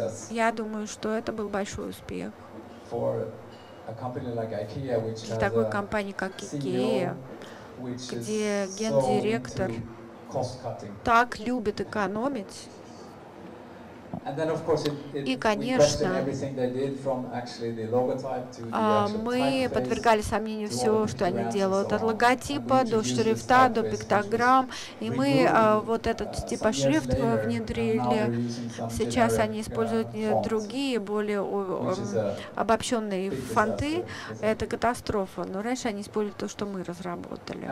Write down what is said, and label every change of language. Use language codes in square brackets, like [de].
[ru] Я думаю, что это был большой успех для такой компании, как IKEA, где гендиректор так любит экономить. [en] And then, of course, [ru] конечно, [en] we tested everything they did from actually the logotype to the actual [ru] мы подвергали сомнению все, что они делают, от логотипа до шрифта, до пиктограмм, и мы вот этот типа шрифт внедрили. Сейчас они используют другие, более обобщенные фонты. Это катастрофа. Но раньше они использовали то, что мы разработали.